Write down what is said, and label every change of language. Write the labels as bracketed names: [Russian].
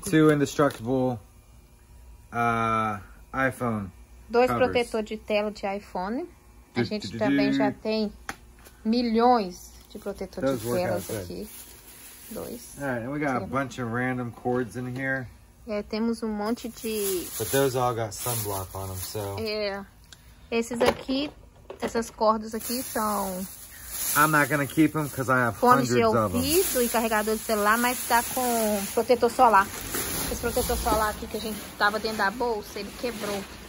[English] Two indestructible iPhone. [Portuguese] Dois protetores de tela de iPhone. A gente também já tem milhões de protetores de telas aqui. Dois. [English] Alright, and we got a bunch of random cords in here. [Portuguese] É, temos monte de. [English] But those all got sunblock on them, so. [Portuguese] Yeah. Esses aqui. Essas cordas aqui são... [English] I'm not gonna keep them because I have [Portuguese] fones [English] hundreds [Portuguese] de ouvido [English] of them. [Portuguese] E carregador de celular, mas tá com protetor solar. esse protetor solar aqui que a gente tava dentro da bolsa, ele quebrou.